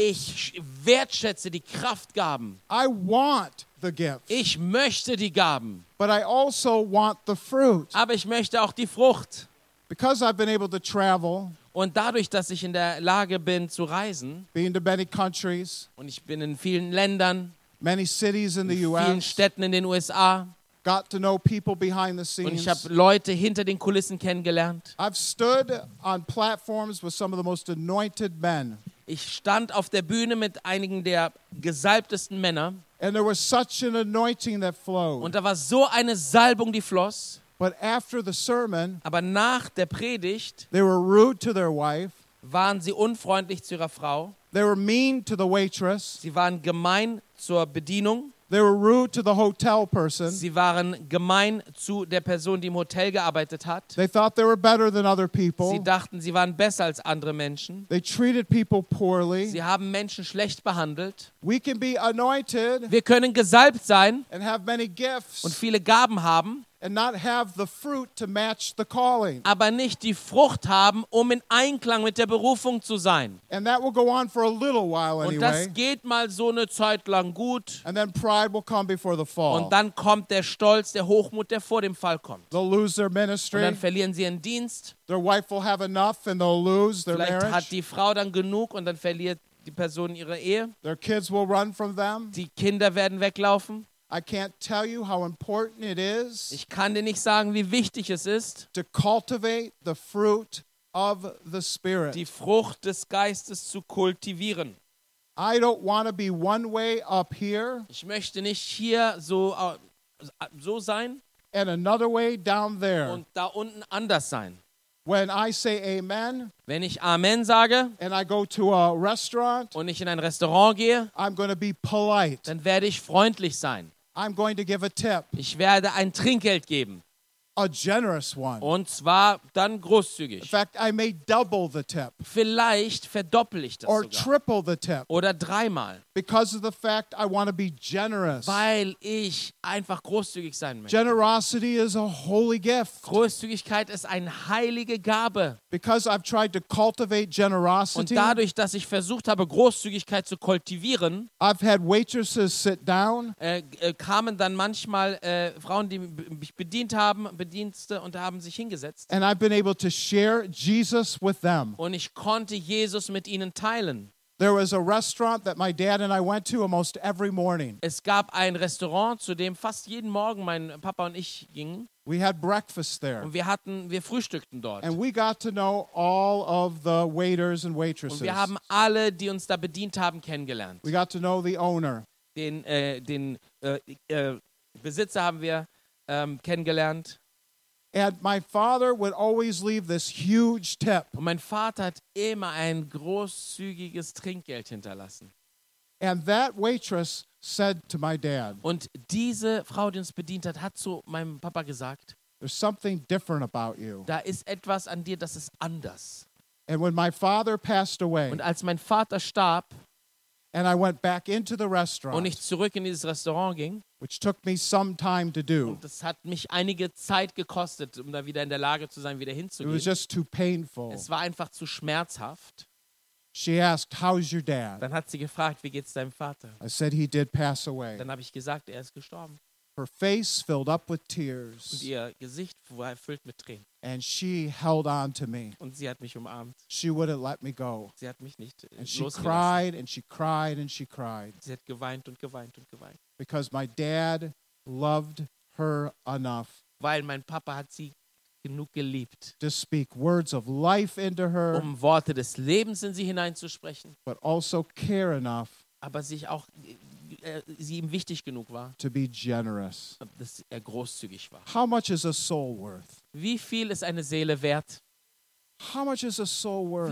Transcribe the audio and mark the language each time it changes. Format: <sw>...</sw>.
<de>Ich wertschätze die Kraftgaben.</de> <en>I want the gifts.</en> <de>Ich möchte die Gaben.</de> <en>But I also want the fruit.</en> <de>Aber ich möchte auch die Frucht.</de> <en>Because I've been able to travel,</en> <de>und dadurch, dass ich in der Lage bin zu reisen,</de> <en>being to many countries,</en> <de>und ich bin in vielen Ländern,</de> <en>many cities in the US,</en> <de>vielen Städten in den USA,</de> <en>got to know people behind the scenes,</en> <de>und ich habe Leute hinter den Kulissen kennengelernt.</de> <en>I've stood on platforms with some of the most anointed men.</en> <de>Ich stand auf der Bühne mit einigen der gesalbtesten Männer.</de> <en>And there was such an anointing that flowed.</en> <de>Und da war so eine Salbung, die floss.</de> <en>But after the sermon,</en> <de>aber nach der Predigt,</de> <en>they were rude to their wife,</en> <de>waren sie unfreundlich zu ihrer Frau.</de> <en>They were mean to the waitress,</en> <de>sie waren gemein zur Bedienung.</de> <en>They were rude to the hotel person,</en> <de>sie waren gemein zu der Person, die im Hotel gearbeitet hat.</de> <en>They thought they were better than other people,</en> <de>sie dachten, sie waren besser als andere Menschen.</de> <en>They treated people poorly,</en> <de>sie haben Menschen schlecht behandelt.</de> <en>We can be anointed,</en> <de>wir können gesalbt sein,</de> <en>and have many gifts,</en> <de>und viele Gaben haben.</de> <en>And not have the fruit to match the calling.</en> <de>Aber nicht die Frucht haben, um in Einklang mit der Berufung zu sein.</de> <en>And that will go on for a little while anyway.</en> <de>Und das geht mal so eine Zeit lang gut.</de> <en>And then pride will come before the fall.</en> <de>Und dann kommt der Stolz, der Hochmut, der vor dem Fall kommt.</de> <en>They'll lose their ministry.</en> <de>Und dann verlieren sie ihren Dienst.</de> <en>Their wife will have enough and they'll lose their</en> <de>Vielleicht</de> <en>marriage.</en> <de>Hat die Frau dann genug und dann verliert die Person ihre Ehe.</de> <en>Their kids will run from them.</en> <de>Die Kinder werden weglaufen.</de> <en>I can't tell you how important it is.</en> <de>Ich kann dir nicht sagen, wie wichtig es ist.</de> <en>To cultivate the fruit of the Spirit.</en> <de>Die Frucht des Geistes zu kultivieren.</de> <en>I don't want to be one way up here.</en> <de>Ich möchte nicht hier so sein.</de> <en>And another way down there.</en> <de>Und da unten anders sein.</de> <en>When I say amen,</en> <de>wenn ich Amen sage,</de> <en>and I go to a restaurant,</en> <de>und ich in ein Restaurant gehe,</de> <en>I'm going to be polite.</en> <de>Dann werde ich freundlich sein.</de> <en>I'm going to give a tip.</en> <de>Ich werde ein Trinkgeld geben.</de> <en>A generous one.</en> <de>Und zwar dann großzügig.</de> <en>In fact, I may double the tip.</en> <de>Vielleicht verdoppel ich das</de> <en>Or</en> <de>sogar.</de> <en>Triple the tip.</en> <de>Oder dreimal.</de> <en>Because of the fact I want to be generous.</en> <de>Weil ich einfach großzügig sein möchte.</de> <en>Generosity is a holy gift.</en> <de>Großzügigkeit ist eine heilige Gabe.</de> <en>Because I've tried to cultivate generosity.</en> <de>Und dadurch, dass ich versucht habe, Großzügigkeit zu kultivieren,</de> <en>I've had waitresses sit down.</en> <de>Kamen dann manchmal Frauen, die mich bedient haben, Bedienste und haben sich hingesetzt.</de> <en>And I've been able to share Jesus with them.</en> <de>Und ich konnte Jesus mit ihnen teilen.</de> <en>There was a restaurant that my dad and I went to almost every morning.</en> <de>Es gab ein Restaurant, zu dem fast jeden Morgen mein Papa und ich gingen.</de> <en>We had breakfast there.</en> <de>Und wir frühstückten dort.</de> <en>And we got to know all of the waiters and waitresses.</en> <de>Und wir haben alle, die uns da bedient haben, kennengelernt.</de> <en>We got to know the owner.</en> <de>Den Besitzer haben wir kennengelernt.</de> <en>And my father would always leave this huge tip.</en> <de>Und mein Vater hat immer ein großzügiges Trinkgeld hinterlassen.</de> <en>And that waitress said to my dad.</en> <de>Und diese Frau, die uns bedient hat, hat zu meinem Papa gesagt.</de> <en>There's something different about you.</en> <de>Da ist etwas an dir, das ist anders.</de> <en>And when my father passed away.</en> <de>Und als mein Vater starb.</de> <en>And I went back into the restaurant.</en> <de>Und ich zurück in dieses Restaurant ging.</de> <en>Which took me some time to do.</en> <de>Und das hat mich einige Zeit gekostet, um da wieder in der Lage zu sein, wieder hinzugehen.</de> <en>It was just too painful.</en> <de>Es war einfach zu schmerzhaft.</de> <en>She asked, "How's your dad?"</en> <de>Dann hat sie gefragt, wie geht's deinem Vater?</de> <en>I said, "He did pass away."</en> <de>Dann habe ich gesagt, er ist gestorben.</de> <en>Her face filled up with tears.</en> <de>Und ihr Gesicht war erfüllt mit Tränen.</de> <en>And she held on to me.</en> <de>Und sie hat mich umarmt.</de> <en>She wouldn't let me go.</en> <de>Sie hat mich nicht losgelassen.</de> <en>And she cried and she cried and she cried.</en> <de>Sie hat geweint und geweint und geweint.</de> <en>Because my dad loved her enough.</en> <de>Weil mein Papa hat sie genug geliebt.</de> <en>To speak words of life into her.</en> <de>Um Worte des Lebens in sie hineinzusprechen.</de> <en>But also care enough.</en> <de>Aber sich auch sie ihm wichtig genug war.</de> <en>To be generous.</en> <de>Dass er großzügig war.</de> <en>How much is a soul worth?</en> <de>Wie viel ist eine Seele wert?</de> <en>How much is a soul worth?</en>